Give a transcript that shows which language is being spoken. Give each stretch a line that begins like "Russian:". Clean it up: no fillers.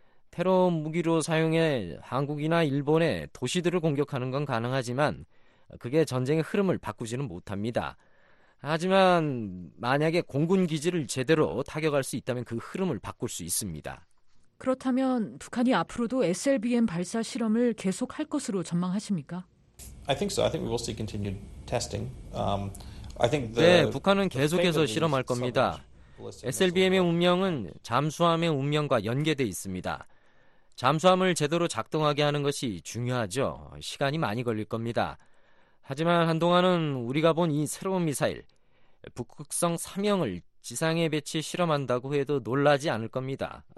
Korean: 테러 무기로 사용해 한국이나 일본의 도시들을 공격하는 건 가능하지만 그게 전쟁의 흐름을 바꾸지는 못합니다. 하지만 만약에 공군기지를 제대로 타격할 수 있다면 그 흐름을 바꿀 수 있습니다. 그렇다면 북한이 앞으로도 SLBM 발사 실험을 계속할 것으로 전망하십니까?
English: I think so. I think we will see continued testing.
Korean: 네, 북한은 계속해서 실험할 겁니다. SLBM의 운명은 잠수함의 운명과 연계되어 있습니다. 잠수함을 제대로 작동하게 하는 것이 중요하죠. 시간이 많이 걸릴 겁니다. 하지만 한동안은 우리가 본 이 새로운 미사일, 북극성 3형을 지상에 배치 실험한다고 해도 놀라지 않을 겁니다.